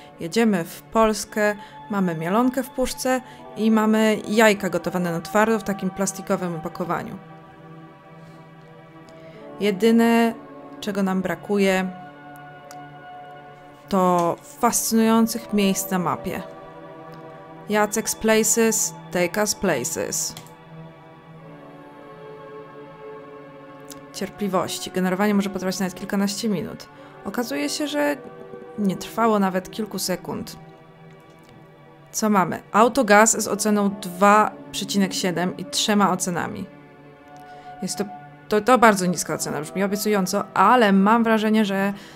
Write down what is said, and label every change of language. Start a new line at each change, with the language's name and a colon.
Polish: Jedziemy w Polskę. Mamy mielonkę w puszce i mamy jajka gotowane na twardo w takim plastikowym opakowaniu. Jedyne, czego nam brakuje, to fascynujących miejsc na mapie.
English: Jacek's Places, take us places.
Polish: Cierpliwości. Generowanie może potrwać nawet kilkanaście minut. Okazuje się, że nie trwało nawet kilku sekund. Co mamy? Autogaz z oceną 2,7 i 3 ocenami. Jest to bardzo niska ocena, brzmi obiecująco, ale mam wrażenie, że